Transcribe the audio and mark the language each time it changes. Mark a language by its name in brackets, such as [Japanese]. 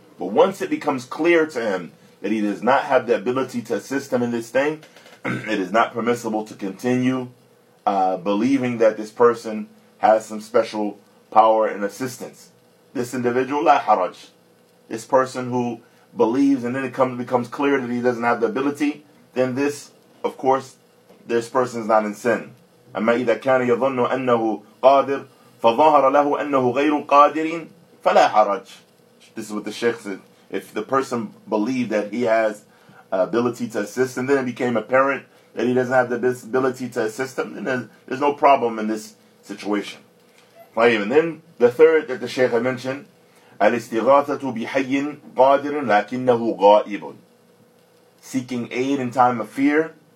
[English] But once it becomes clear to him that he does not have the ability to assist him in this thing, it is not permissible to continue believing that this person has some special power and assistance. This individual, [Arabic] لا حرج. [English] This person who believes and then it becomes clear that he doesn't have the ability, then this, of course, this person is not in sin. [Arabic] أَمَّا إِذَا كَانَ يَظُنُّ أَنَّهُ قَادِرٌ فَظَاهَرَ لَهُ أَنَّهُ غَيْرٌ قَادِرٍ فَلَا حَرَجٌ. [English] This is what the Shaykh said. if the person believed that he has ability to assist, and then it became apparent that he doesn't have the ability to assist him, then there's no problem in this situation. And then the third that the Shaykh had mentioned, [Arabic] al-istighathatu bihayyin qadirin lakinnahu ghaibun, [English] seeking aid in time of fear,